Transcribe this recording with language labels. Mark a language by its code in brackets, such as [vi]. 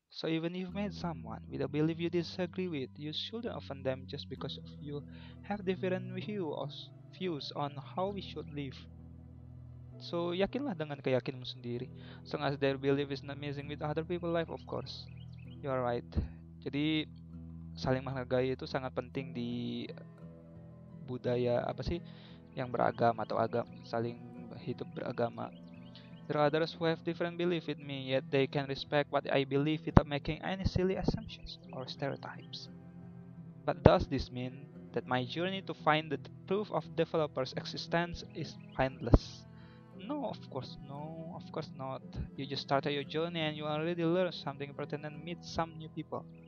[en] So even if you meet someone with a belief you disagree with, you shouldn't offend them just because you have different views on how we should live. So [id] yakinlah dengan keyakinanmu sendiri, [en] as long as their belief is not messing with other people's life, of course. You are right. [id] Jadi saling menghargai itu sangat penting di budaya apa sih yang beragam atau agam, saling hidup beragama. [en] There are others who have different belief with me, yet they can respect what I believe without making any silly assumptions or stereotypes. But does this mean that my journey to find the proof of developers' existence is pointless? No, of course not. You just started your journey and you already learned something important and meet some new people.